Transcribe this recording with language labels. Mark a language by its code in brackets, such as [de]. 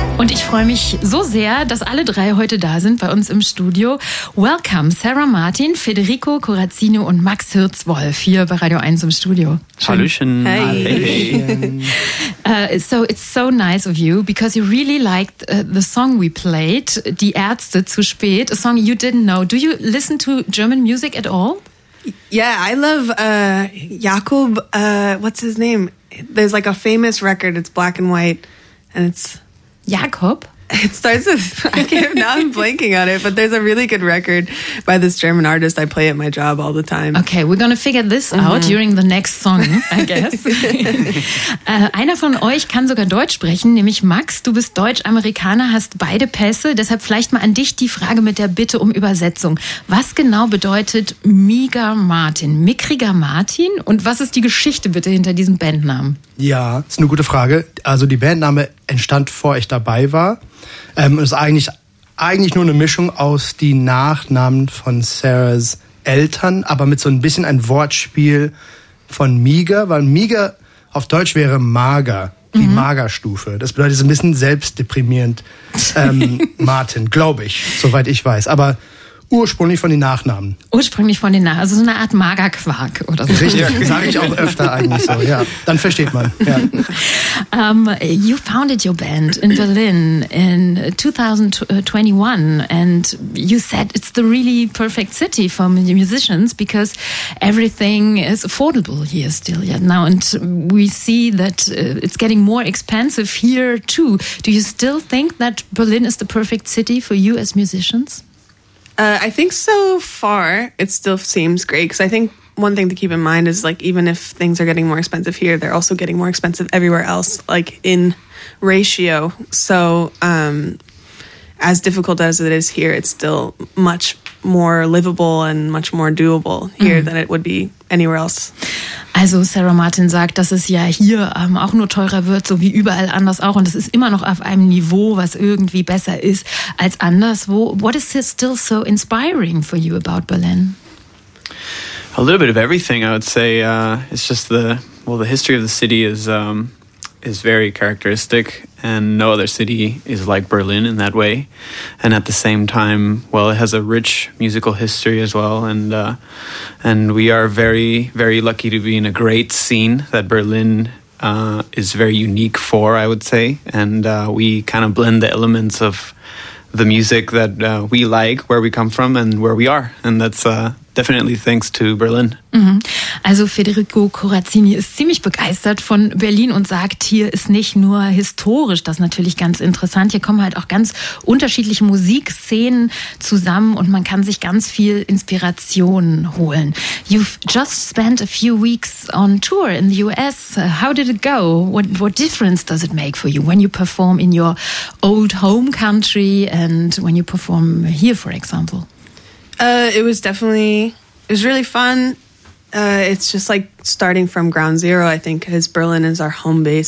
[de] Ich freue mich so sehr, dass alle drei heute da sind bei uns im Studio. Welcome Sarah Martin, Federico Corazzino und Max Hirzwolf hier bei Radio 1 im Studio. Hallöchen. [en] Hey. So it's so nice of you, because you really liked the song we played, Die Ärzte, zu spät, a song you didn't know. Do you listen to German music at all? Yeah, I love Jakob, what's his name? There's like a famous record, it's black and white, and it's... Jakob? It starts with, now I'm blanking on it, but there's a really good record by this German artist. I play at my job all the time. Okay, we're going to figure this out during the next song, I guess. [de] Einer von euch kann sogar Deutsch sprechen, nämlich Max. Du bist Deutsch-Amerikaner, hast beide Pässe. Deshalb vielleicht mal an dich die Frage mit der Bitte um Übersetzung. Was genau bedeutet Meager Martin, mickriger Martin? Und was ist die Geschichte bitte hinter diesem Bandnamen? Ja, ist eine gute Frage. Also die Bandname entstand, bevor ich dabei war. Ist eigentlich nur eine Mischung aus den Nachnamen von Sarahs Eltern, aber mit so ein bisschen ein Wortspiel von Meager, weil Meager auf Deutsch wäre mager, die Magerstufe. Das bedeutet so ein bisschen selbstdeprimierend Martin, glaube ich, soweit ich weiß. Aber ursprünglich von den Nachnamen. Ursprünglich von den Nachnamen, also so eine Art Magerquark oder so. Richtig, sage ich auch öfter eigentlich so, ja. Dann versteht man, ja. [en] You founded your band in Berlin in 2021 and you said it's the really perfect city for musicians because everything is affordable here still yet now and we see that it's getting more expensive here too. Do you still think that Berlin is the perfect city for you as musicians? I think so far it still seems great because I think one thing to keep in mind is like even if things are getting more expensive here, they're also getting more expensive everywhere else, like in ratio. So as difficult as it is here, it's still much more livable and much more doable here than it would be anywhere else. [de] Also Sarah Martin sagt, dass es ja hier auch nur teurer wird, so wie überall anders auch. Und es ist immer noch auf einem Niveau, was irgendwie besser ist als anderswo. [en] What is this still so inspiring for you about Berlin? A little bit of everything, I would say. It's just the history of the city is very characteristic, and no other city is like Berlin in that way. And at the same time, well, it has a rich musical history as well, and we are very, very lucky to be in a great scene that Berlin is very unique for, I would say. And we kind of blend the elements of the music that we like, where we come from and where we are, and that's definitely thanks to Berlin. [de] Also Federico Corazzini ist ziemlich begeistert von Berlin und sagt, hier ist nicht nur historisch, das ist natürlich ganz interessant, hier kommen halt auch ganz unterschiedliche Musikszenen zusammen und man kann sich ganz viel Inspiration holen. [en] You've just spent a few weeks on tour in the US. How did it go? What difference does it make for you when you perform in your old home country and when you perform here, for example? It was definitely, it was really fun. It's just like starting from ground zero, I think, because Berlin is our home base.